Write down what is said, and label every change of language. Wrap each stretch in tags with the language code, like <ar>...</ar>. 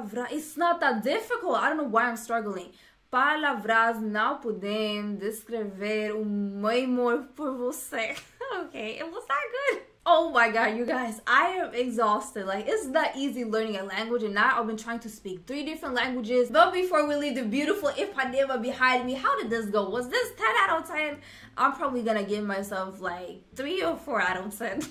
<en>It's not that difficult. I don't know why I'm struggling.</en> <pt>Palavras não podem descrever o meu amor por você.</pt> <en>Okay, it was that good. Oh my god, you guys, I am exhausted. Like, it's that easy learning a language, and now I've been trying to speak three different languages. But before we leave the beautiful Ipanema behind me, how did this go? Was this 10 out of 10? I'm probably gonna give myself like 3 or 4 out of 10.</en>